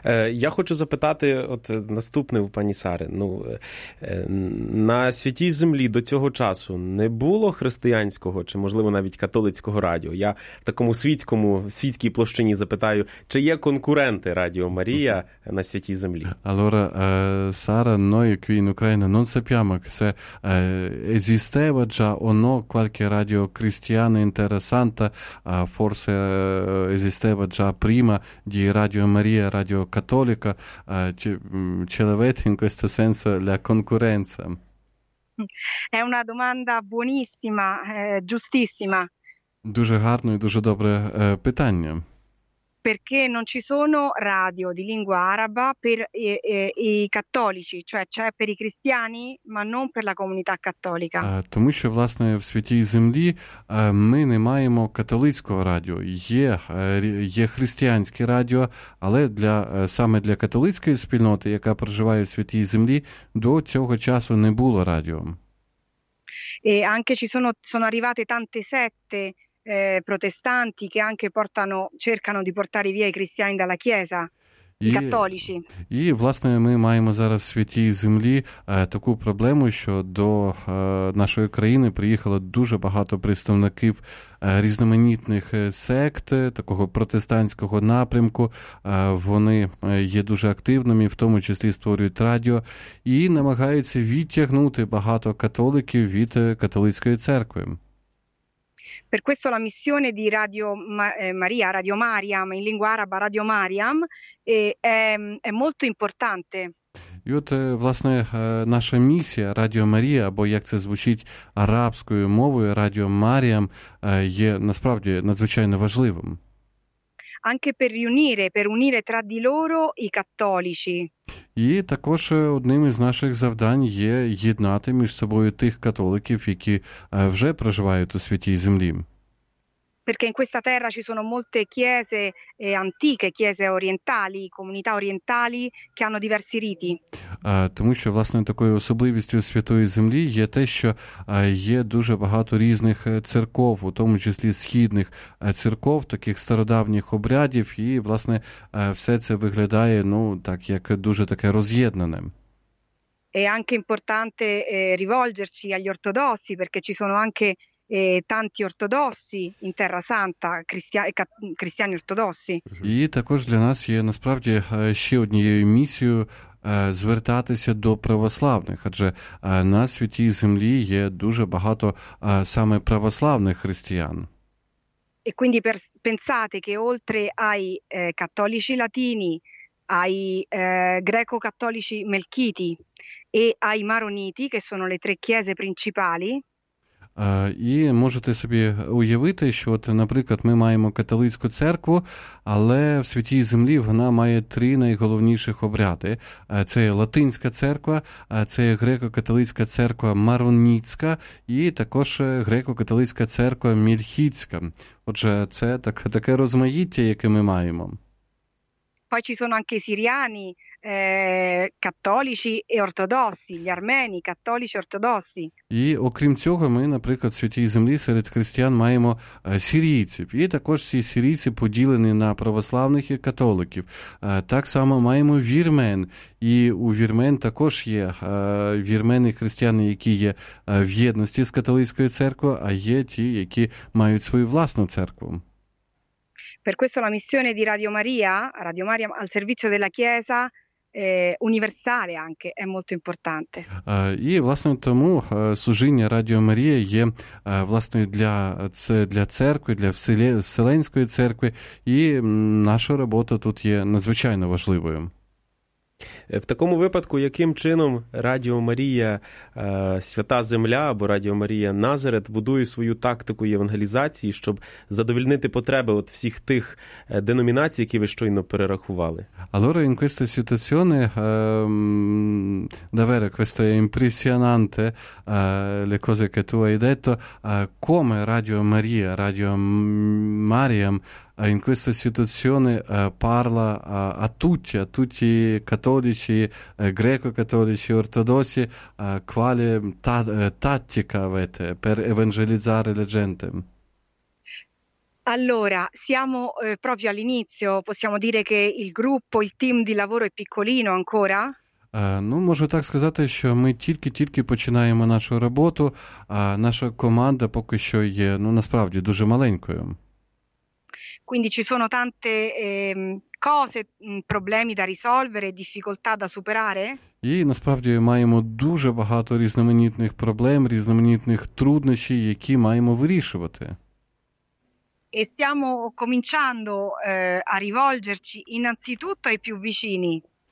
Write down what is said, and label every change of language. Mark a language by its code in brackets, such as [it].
[uk] Я хочу запитати от наступне у пані Сари. Ну, на Святій Землі до цього часу не було християнського чи, можливо, навіть католицького радіо? Я в такому світському, світській площині запитаю, чи є конкуренти Радіо Марія на Святій Землі? [it] Allora, Sara, noi qui in Ucraina non sappiamo se esisteva già o no qualche radio cristiano interessante, forse esisteva già prima di Radio Maria, Radio Cattolica, ce l'avete in questo senso la concorrenza? È una domanda buonissima, giustissima. [uk] Дуже гарно і дуже добре питання. [it] Perché non ci sono radio di lingua araba per i cattolici, cioè c'è per i cristiani, ma non per la comunità cattolica. [uk] Тому що, власне, в Святій Землі ми не маємо католицького радіо. Є християнське радіо, але саме для католицької спільноти, яка проживає в Святій Землі, до цього часу не було радіо. [it] E anche ci sono arrivate tante sette protestanti che anche cercano di portare via i cristiani dalla chiesa, i cattolici. [uk] І, власне, ми маємо зараз в Святій Землі таку проблему, що до нашої країни приїхало дуже багато представників різноманітних сект, такого протестантського напрямку. Вони є дуже активними, в тому числі створюють радіо і намагаються відтягнути багато католиків від католицької церкви. [it] Per questo la missione di Radio Maria, Radio Mariam, in lingua araba Radio Mariam, è molto importante. [uk] І от, власне, наша місія Радіо Марія, або як це звучить арабською мовою, Радіо Маріам, є насправді надзвичайно важливим. [it] Anche per unire tra di loro i cattolici. [uk] І також одним із наших завдань є єднати між собою тих католиків, які вже проживають у Святій Землі. [it] Perché in questa terra ci sono molte chiese antiche, chiese orientali, comunità orientali che hanno diversi riti. [uk] Тому що, власне, такою особливістю Святої Землі є те, що є дуже багато різних церков, у тому числі східних церков, таких стародавніх обрядів, і, власне, все це виглядає, ну, так, як дуже таке роз'єднане. [it] È anche importante rivolgerci agli ortodossi, perché ci sono anche e tanti ortodossi in Terra Santa, cristiani ortodossi. [uk] І також для нас є насправді ще однією місією звертатися до православних, адже на Святій Землі є дуже багато саме православних християн. [it] E quindi pensate che oltre ai cattolici latini, ai greco-cattolici melchiti e ai maroniti, che sono le tre chiese principali, [uk] І можете собі уявити, що, от, наприклад, ми маємо католицьку церкву, але в Святій Землі вона має три найголовніших обряди. Це є латинська церква, це є греко-католицька церква Маронітська і також греко-католицька церква Мільхітська. Отже, це таке розмаїття, яке ми маємо. [it] Poi ci sono anche i siriani cattolici e ortodossi, gli armeni cattolici ortodossi. [uk] І окрім цього, ми, наприклад, в Святій Землі серед християн маємо сирійців. І також ці сирійці поділені на православних і католиків. Так само маємо вірмен. І у вірмен також є вірмени християни, які є в єдності з католицькою церквою, а є ті, які мають свою власну церкву. [it] Per questo la missione di Radio Maria, Radio Maria al servizio della Chiesa universale anche è molto importante. [uk] І власне тому служіння Радіо Марія є власне для церкви, для Вселенської церкви, і наша робота тут є надзвичайно важливою. В такому випадку, яким чином Радіо Марія Свята Земля або Радіо Марія Назарет будує свою тактику євангелізації, щоб задовольнити потреби от всіх тих деномінацій, які ви щойно перерахували? [it] Allora, in questa situazione davvero questo è impressionante le cose che tu hai detto, come Radio Maria, Radio Mariam in questa situazione parla a tutti cattolici, greco-cattolici, ortodossi, quale tattica avete per evangelizzare la gente? Allora, siamo proprio all'inizio, possiamo dire che il gruppo, il team di lavoro è piccolino ancora? [uk] Ну, можу так сказати, що ми тільки-тільки починаємо нашу роботу, а наша команда поки що є, ну, насправді, дуже маленькою. [it] Quindi ci sono tante cose, problemi da risolvere, difficoltà da superare? [uk] І насправді маємо дуже багато різноманітних проблем, різноманітних труднощів, які маємо вирішувати. [it] E stiamo cominciando a rivolgerci innanzitutto ai più vicini.